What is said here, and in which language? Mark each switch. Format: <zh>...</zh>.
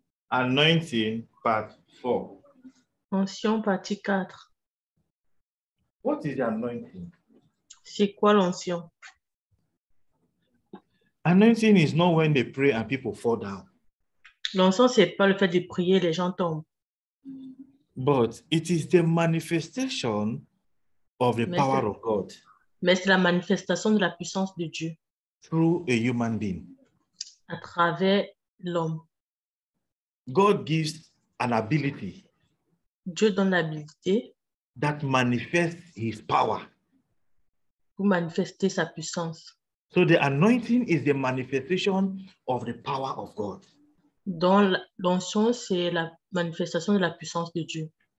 <en>Anointing part 4.</en> <fr>L'onction partie 4.</fr> <en>What is the anointing?</en> <fr>C'est quoi l'onction?</fr> <en>Anointing is not when they pray and people fall down.</en> <fr>L'onction, c'est pas le fait de prier, les gens tombent.</fr> <en>But it is the manifestation of the power of God.</en> <fr>Mais c'est la manifestation de la puissance de Dieu.</fr> <en>Through a human being.</en> <fr>À travers l'homme.</fr> <en>God gives an ability.</en> <fr>Dieu donne l'habilité.</fr> <en>That manifests his power.</en> <fr>Pour manifester sa puissance.</fr> <en>So the anointing is the manifestation of the power of God.</en> <fr>Dans l'onction, c'est la manifestation de la puissance de Dieu.</fr>